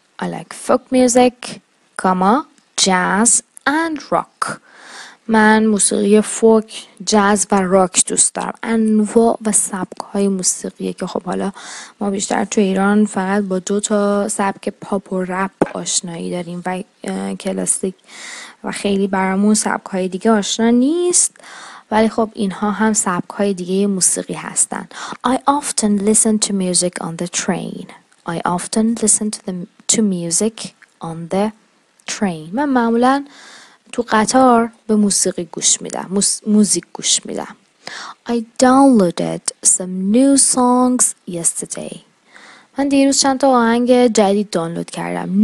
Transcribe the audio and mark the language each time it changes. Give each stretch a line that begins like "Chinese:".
English: I like folk music, comma, jazz and rock.
Persian: من موسیقی فوک، جاز و راک دوست دارم. انواع و سبک‌های موسیقی که خب حالا ما بیشتر تو ایران فقط با دو تا سبک پاپ و رپ آشنایی داریم و کلاسیک، و خیلی برامون سبک‌های دیگه آشنا نیست، ولی خب اینها هم سبک‌های دیگه موسیقی هستن.
English: I often listen to music on the train. I often listen to music on the train.
Persian: من معمولاً تو قطار به موسیقی گوش میدم، موزیک گوش میدم.
English: I downloaded some new songs yesterday.
Persian: من دیروز چند تا آهنگ جدید دانلود کردم.